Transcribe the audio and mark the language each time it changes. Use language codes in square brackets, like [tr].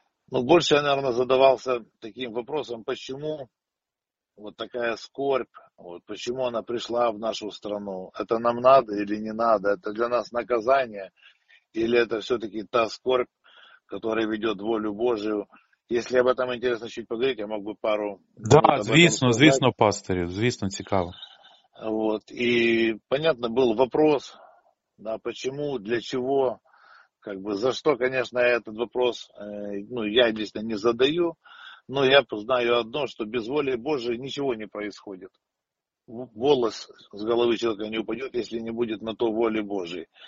[ru] Но больше я, наверное, задавался таким вопросом, почему вот такая скорбь, вот почему она пришла в нашу страну? Это нам надо или не надо? Это для нас наказание? Или это все-таки та скорбь, которая ведет волю Божию? Если об этом интересно чуть поговорить, я могу пару... [uk] Да, звісно, звісно, пастырю, звісно, цікаво. [ru] Вот, и понятно, был вопрос, да, почему, для чего... Как бы за что, конечно, этот вопрос, ну, я лично не задаю, но я знаю одно, что без воли Божией ничего не происходит. Волос с головы человека не упадет, если не будет на то воли Божией.